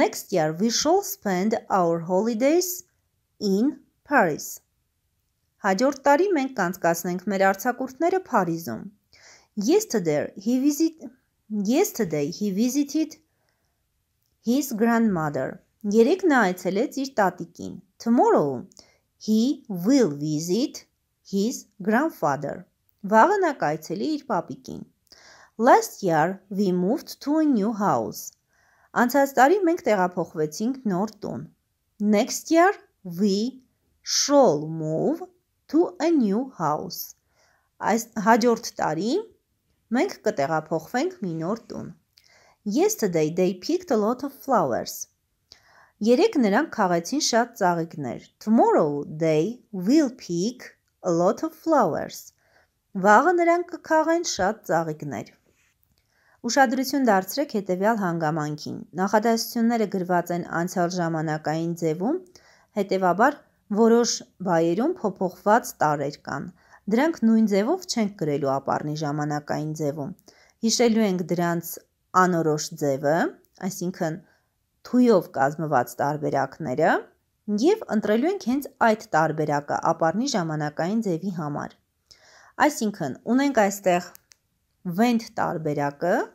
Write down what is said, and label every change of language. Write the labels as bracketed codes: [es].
[en] Next year we shall spend our holidays in Paris. [hy] Հաջորդ տարի մենք կանցկացնենք մեր արձակուրդները Փարիզում. [en] Yesterday he visited his grandmother. [hy] Երեկ նա այցելեց իր տատիկին. [en] Tomorrow he will visit his grandfather. [hy] Վաղը նա կայցելի իր պապիկին. [en] Last year we moved to a new house. [hy] Անցած տարի մենք տեղափոխվեցինք նոր տուն. [en] Next year we shall move to a new house. [hy] Այս հաջորդ տարի մենք կտեղափոխվենք մի նոր տուն. [en] Yesterday they picked a lot of flowers. [hy] Երեք նրանք քաղեցին շատ ծաղիկներ. [en] Tomorrow they will pick a lot of flowers. [hy] Վաղը նրանք կքաղեն շատ ծաղիկներ. Ուշադրություն դարձրեք հետևյալ հանգամանքին. Նախադասությունները գրված են անցյալ ժամանակային ձևում, հետևաբար որոշ բայերում փոփոխված տարրեր կան։ Դրանք նույն ձևով չեն գրելու ապառնի ժամանակային ձևում։ Հիշելու ենք դրանց անորոշ ձևը, այսինքն թույով կազմված տարբերակները, և ընտրելու ենք հենց այդ տարբերակը ապառնի ժամանակային ձևի համար։ Այսինքն, ունենք այստեղ went տարբերակը,